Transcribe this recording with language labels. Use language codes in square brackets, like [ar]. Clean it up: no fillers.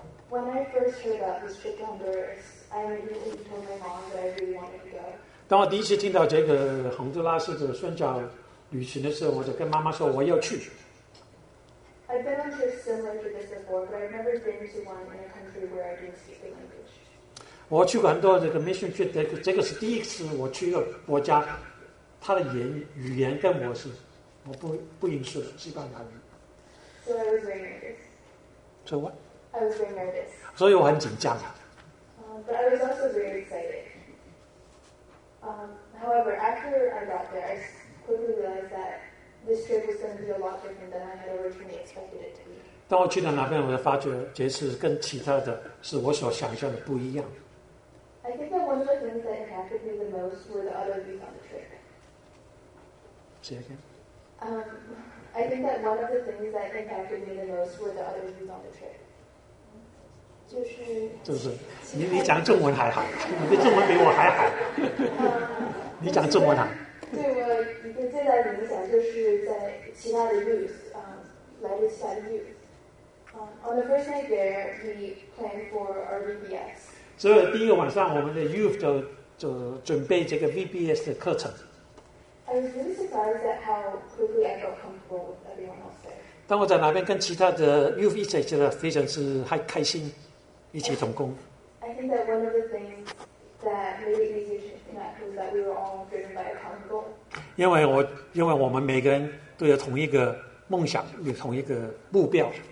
[en] When I first heard about this trip to Honduras, I immediately told my mom that I really wanted to go. [zh] 当我第一次听到这个洪都拉斯的宣教旅行的时候，我就跟妈妈说我要去。 [en] I've been on trips similar to this before, but I've never been to one in a country where I didn't speak the language. [zh] 我去过很多这个 mission trip, 这个是第一次我去一个国家，他的语言跟我不认识的，西班牙语。 [en] So I was very nervous. So what? I was very nervous. [zh] 所以我很紧张。 [en] But I was also very excited. However, after I got there, I quickly realized that this trip was going to be a lot different than I had originally expected it to be. [zh] 当我去到那边，我就发觉这次跟其他的是我所想象的不一样。 [en] I think that one of the things that impacted me the most were the other views on the trip. Say again. I think that one of the things that impacted me the most were the other views on the trip. [zh] 就是你讲中文还好，你的中文比我还好。你讲中文好。对，我最大的影响就是在其他的 youth， 来自其他的 youth。 [en] On the first night there, we planned for our VBS。 [zh] 所以第一个晚上，我们的 youth 就准备这个 VBS 的课程。 [en] I was really surprised at how quickly I got comfortable with everyone else there。 [zh] 当我在那边跟其他的 youth 一起，觉得非常是还开心。一起同工。 [en] I think that one of the things that made it easier to connect was that we were all driven by a common goal. [zh] 因为我们每个人都有同一个梦想，有同一个目标。